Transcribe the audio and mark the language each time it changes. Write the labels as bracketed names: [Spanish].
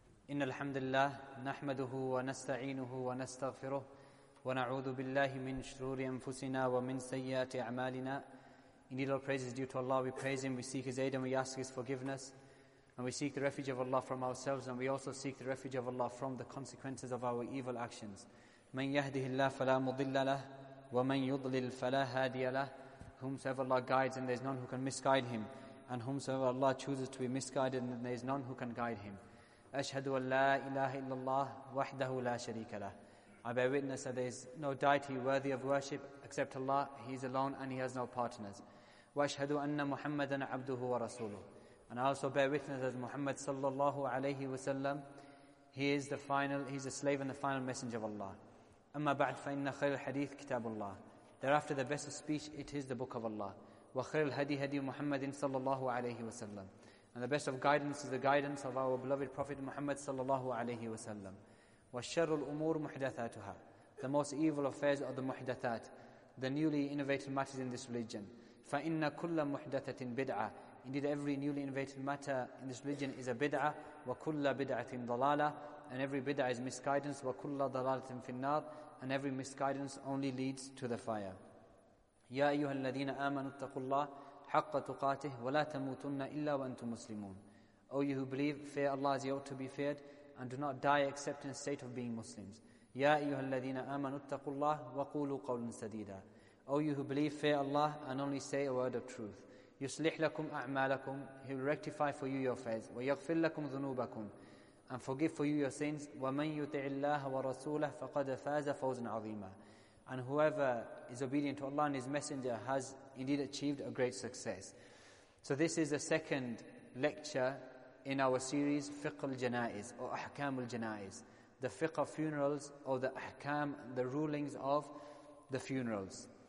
[Arabic] إن الحمد لله نحمده ونستعينه ونستغفره ونعوذ بالله من شرور أنفسنا ومن سيئات أعمالنا. [English] Indeed all praise is due to Allah. We praise Him, we seek His aid, and we ask His forgiveness. And we seek the refuge of Allah from ourselves, and we also seek the refuge of Allah from the consequences of our evil actions. [Arabic] من يهده الله فلا مضل له ومن يضلل فلا هادي له. [English] Whomsoever Allah guides, and there is none who can misguide him. And whomsoever Allah chooses to be misguided, and there is none who can guide him. [Arabic] أشهد أن لا إله إلا الله وحده لا شريك له. [English] I bear witness that there is no deity worthy of worship except Allah. He is alone and He has no partners. [Arabic] وأشهد أن محمدا عبده ورسوله. [English] And I also bear witness that Muhammad sallallahu alayhi wasallam, he is the slave and the final messenger of Allah. [Arabic] أما بعد فإن خير الحديث كتاب الله. [English] Thereafter the best of speech, it is the book of Allah. [Arabic] وخير الهدي هدي محمد صلى الله عليه وسلم. [English] And the best of guidance is the guidance of our beloved Prophet Muhammad sallallahu alayhi wa sallam. [Arabic] وَالشَّرُّ الْأُمُورُ مُحْدَثَاتُهَا. [English] The most evil affairs are the muhdathat, the newly innovated matters in this religion. [Arabic] فَإِنَّ كُلَّ مُحْدَثَةٍ بِدْعَةٍ. [English] Indeed, every newly innovated matter in this religion is a bid'ah. [Arabic] وَكُلَّ بِدْعَةٍ ضَلَالَةٍ. [English] And every bid'ah is misguidance. [Arabic] وَكُلَّ ضَلَالَةٍ فِي النَّارٍ. [English] And every misguidance only leads to the fire. [Arabic] يَا أَيُّهَا الَّذِينَ آمَنُوا اتَّقُوا اللَّهَ حق تقاته ولا تموتن إلا وأنتم مسلمون. [English] O you who believe, fear Allah as you ought to be feared, and do not die except in a state of being Muslims. [Arabic] يا أيها الذين آمنوا اتقوا الله وقولوا قولا سديدا. [English] O you who believe, fear Allah and only say a word of truth. [Arabic] يصلح لكم أعمالكم. [English] He will rectify for you your affairs. [Arabic] ويغفر لكم ذنوبكم. [English] And forgive for you your sins. [Arabic] ومن يطع الله ورسوله فقد فاز فوزا عظيما. [English] And whoever is obedient to Allah and His Messenger has indeed achieved a great success. So this is the second lecture in our series, Fiqh al-Janaiz, or Ahkam al-Janaiz. The Fiqh of funerals, or the Ahkam, the rulings of the funerals.